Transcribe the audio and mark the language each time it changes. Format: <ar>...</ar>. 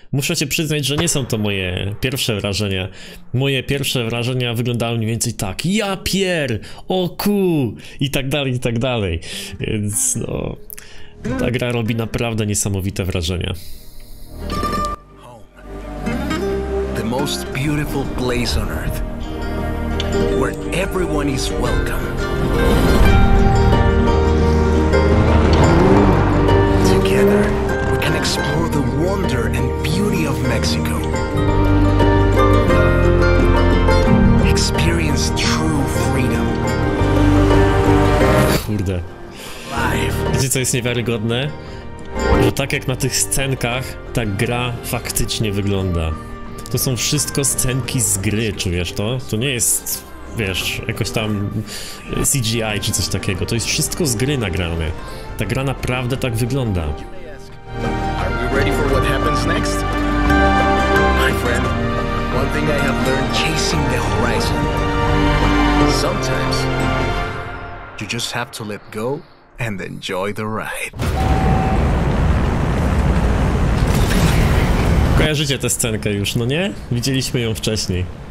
<pl>Muszę się przyznać, że nie są to moje pierwsze wrażenia. Moje pierwsze wrażenia wyglądały mniej więcej tak: ja pier, o ku, i tak dalej, i tak dalej. Więc no, ta gra robi naprawdę niesamowite wrażenia.</pl> <en>The most beautiful place on earth, where everyone is welcome. Together, we can explore the wonder and beauty of Mexico. Experience true freedom.</en> <pl>Kurde. Wiecie, co jest niewiarygodne? Że tak jak na tych scenkach, ta gra faktycznie wygląda. To są wszystko scenki z gry, czujesz to? To nie jest, wiesz, jakoś tam CGI czy coś takiego. To jest wszystko z gry nagrane. Ta gra naprawdę tak wygląda.</pl> <en>Are we ready for what happens next? My friend, one thing I have learned chasing the horizon. Sometimes you just have to let go and enjoy the ride.</en> <pl>Kojarzycie tę scenkę już, no nie? Widzieliśmy ją wcześniej.</pl>